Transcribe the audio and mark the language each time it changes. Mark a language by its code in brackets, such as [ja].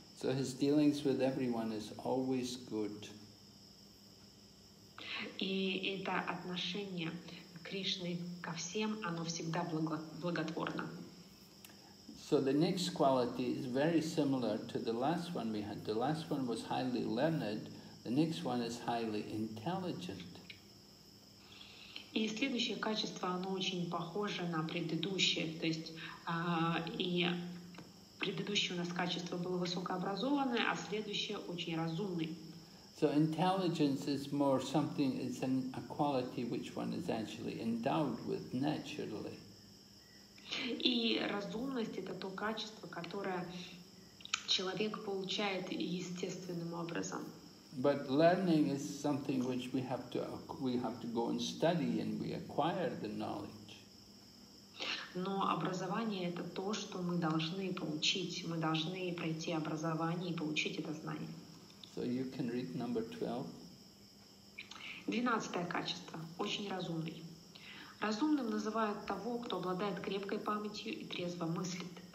[en] So his dealings with everyone is always good. [ru] И это отношение Кришны ко всем, оно всегда благотворно. [en] So the next quality is very similar to the last one we had. The last one was highly learned. The next one is highly intelligent. [ru] И следующее качество, оно очень похоже на предыдущее. То есть и предыдущее у нас качество было высокообразованное, а следующее очень разумный. [en] So intelligence is more something, it's a quality which one is actually endowed with naturally. [ru] И разумность — это то качество, которое человек получает естественным образом. [en] But learning is something which we have to go and study, and we acquire the knowledge. [ru] Но образование — это то, что мы должны получить. Мы должны пройти образование и получить это знание. [en] So you can read number 12. [ru] 12 качество. Очень разумный. Разумным называют того, кто обладает крепкой памятью и трезво мыслит.